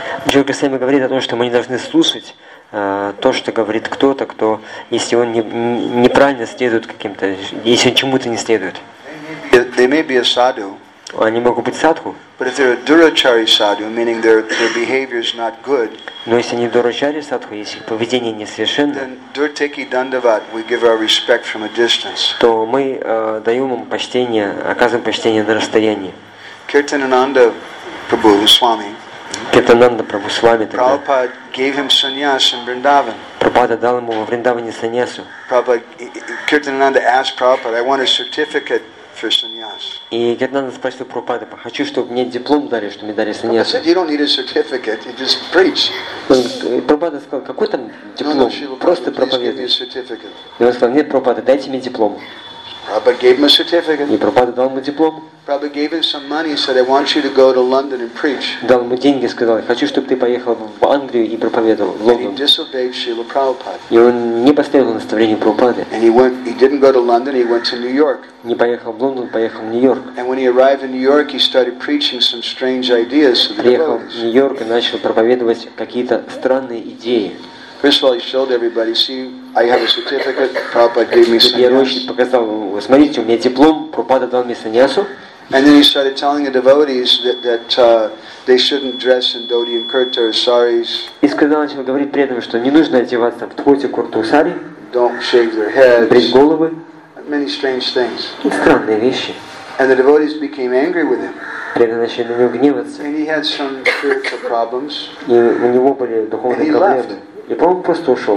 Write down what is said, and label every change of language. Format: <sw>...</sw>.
<ru>Jiva Goswami говорит о том, что мы не должны слушать то, что говорит кто-то, кто, если он неправильно следует каким-то, если он чему-то не следует.</ru> <en>They may be a sadhu.</en> <ru>Они могут быть садху.</ru> <en>But if they're a durachari sadhu, meaning their behavior is not good,</en> <ru>но если они дурачари садху, если их поведение не совершенно,</ru> <en>then durteki dandavat, we give our respect from a distance.</en> <ru>То мы даем им почтение, оказываем почтение на расстоянии.</ru> <en>Kirtananda Prabhu Swami.</en> <ru>Kirtananda Prabhu Swami.</ru> <en>Prabhupada gave him sannyas in Vrindavan.</en> <ru>Prabhupada дал ему во Вриндаване саньясу.</ru> <en>Kirtananda asked Prabhupada, I want a certificate.</en> <ru>И когда надо спросить у Прабхупады, хочу, чтобы мне диплом дали, чтобы мне дали саньясу.</ru> <en>You don't need a certificate, you just preach.</en> <ru>Прабхупада сказал, какой там диплом? Просто проповедуй. И он сказал, нет, Прабхупада, дайте мне диплом.</ru> <en>Prabhupada gave him a certificate.</en> <ru>И Прабхупада дал ему диплом.</ru> <en>Prabhupada gave him some money, said, I want you to go to London and preach.</en> <ru>Дал ему деньги, сказал, хочу, чтобы ты поехал в Англию и проповедовал в Лондон.</ru> <en>And he disobeyed Srila Prabhupada.</en> <ru>И он не последовал наставлению Прабхупады.</ru> <en>And he didn't go to London, he went to New York.</en> <ru>Не поехал в Лондон, поехал в Нью-Йорк.</ru> <en>And when he arrived in New York, he started preaching some strange ideas.</en> <ru>Приехал в Нью-Йорк и начал проповедовать какие-то странные идеи.</ru> <en>First of all, he showed everybody, see, I have a certificate, Prabhupada gave me sannyasu.</en> <ru>Смотрите, у меня диплом, Прабхупада дал мне сannyasu.</ru> <en>And then he started telling the devotees that they shouldn't dress in dhoti and kurta or saris.</en> <ru>И сказал, начал говорить преданным, что не нужно одеваться в дхоти, курту, сари.</ru> <en>Don't shave their heads.</en> <ru>Брить головы.</ru> <en>Many strange things.</en> <ru>И странные вещи.</ru> <en>And the devotees became angry with him.</en> <ru>Преданные начали на него гневаться.</ru> <en>And he had some spiritual problems.</en> <ru>И у него были духовные проблемы. И Прабхупада просто ушел.</ru>